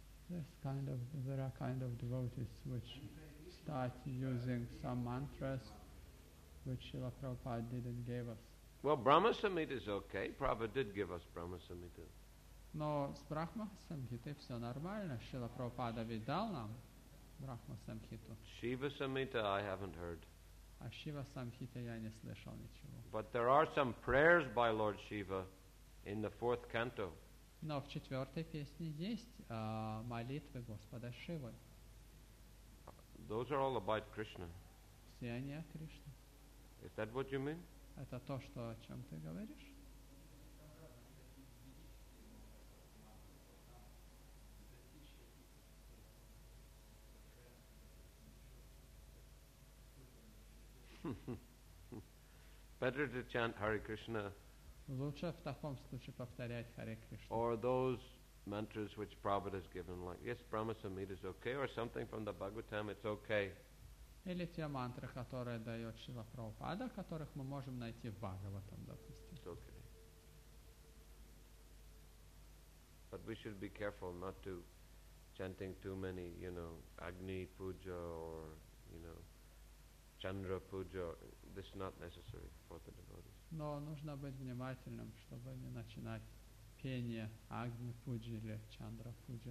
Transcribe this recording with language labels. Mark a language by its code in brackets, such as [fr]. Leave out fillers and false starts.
[en] This kind of, there are kind of devotees which start using some mantras which Srila Prabhupada didn't give us. Well, Brahma Samhita is okay. Prabhupada did give us Brahma Samhita. [ru] Но с Брахма Самхитой все нормально. Шрила Прабхупада ведь дал нам Брахма Самхиту. [en] Shiva Samhita I haven't heard. [ru] А Шива Самхита я не слышал ничего. [en] But there are some prayers by Lord Shiva in the fourth canto. [ru] Но в четвертой песне есть молитвы Господа Шивы. [en] Those are all about Krishna. [ru] Все они о Кришне. [en] Is that what you mean? [ru] Это то, что о чем ты говоришь? [en] Better to chant Hare Krishna. [ru] Лучше в таком случае повторять Hare Krishna. [en] Or those mantras which Prabhupada has given, like yes, Brahma Samhita is okay, or something from the Bhagavatam, it's okay. [ru] Или те мантры, которые дает Шрила Прабхупада, которых мы можем найти в Бхагаватам, допустим. [en] It's okay. But we should be careful not to chanting too many, you know, Agni Puja or, you know, Chandra Puja, this is not necessary for the devotees. [ru] Но нужно быть внимательным, чтобы не начинать пение Агни Пуджи или Чандра Пуджи.